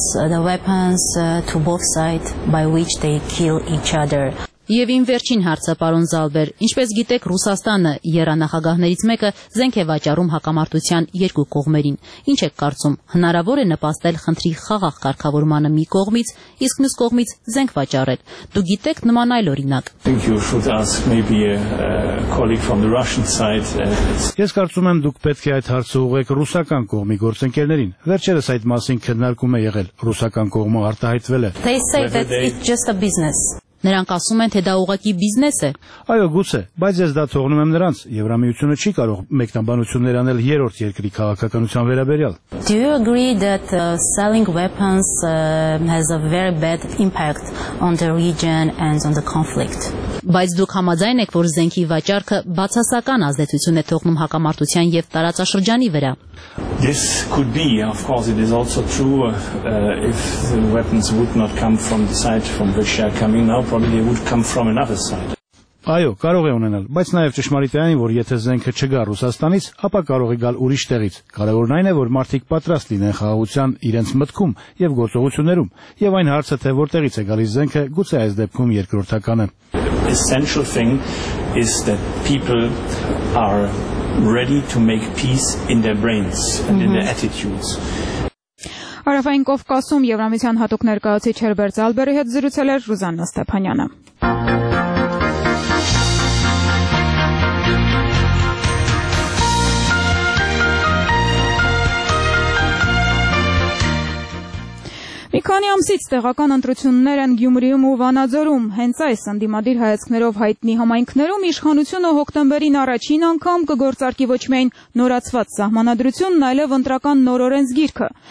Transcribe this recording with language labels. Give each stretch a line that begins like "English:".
English: The weapons to both sides by which they kill each other.
Armenian: Եվ իմ վերջին հարցը, պարոն Զալբեր, ինչպես գիտեք, Ռուսաստանը, երանախագահներից մեկը, զենք է վաճառում հակամարտության երկու կողմերին։ Ինչ եք կարծում, հնարավոր է նպաստել խնդրի խաղաղ կարգավորմանը մի կողմից, իսկ մյուս կողմից զենք վաճառել։ Դու գիտեք նման այլ օրինակ։ Ես կարծում եմ, դուք պետք է այդ հարցը ուղեք ռուսական կողմի գործընկերներին։ Վերջերս այդ մասին քննարկում է եղել, ռուսական կողմը արտահայտվել է։ Նրանք ասում են, թե դա ուղղակի բիզնես է։ Այո, գուցե, բայց ես դա թողնում եմ նրանց։ Եվրամիությունը չի կարող մեկնաբանություններ անել երրորդ երկրի քաղաքականության վերաբերյալ։
English: Do you agree that selling weapons has a very bad impact on the region and on the conflict?
Armenian: Բայց դուք համաձայն եք, որ զենքի վաճառքը բացասական ազդեցություն է թողնում հակամարտության եւ տարածաշրջանի վրա։
English: This could be, of course, it is also true if the weapons would not come from the side from which they are coming now, probably they would come from another side.
Armenian: Այո, կարող է ունենալ, բայց նաև ճշմարիտ է այն, որ եթե զենքը չգա Ռուսաստանից, ապա կարող է գալ ուրիշ տեղից։ Կարևորն այն է, որ մարդիկ պատրաստ լինեն խաղաղության իրենց մտքում եւ գործողություններում, եւ այն հարցը, թե որտեղից է գալիս զենքը, գուցե այս դեպքում երկրորդական է։
English: Essential thing is that people are ready to make peace in their brains and in their attitudes.
Armenian: Արավային Կովկասում Եվրամիության հատուկ ներկայացուցիչ Հերբերտ Զալբերի հետ զրուցել էր Ռուզաննա Ստեփանյանը։ Մի քանի ամսից տեղական ընտրություններ են Գյումրիում ու Վանաձորում։ Հենց այս ընդդիմադիր հայացքներով հայտնի համայնքներում իշխանությունը հոկտեմբերին առաջին անգամ կգործարկի ոչ միայն նորացված սահմանադրությունն, այլև ընտրական նոր օրենսգիրքը։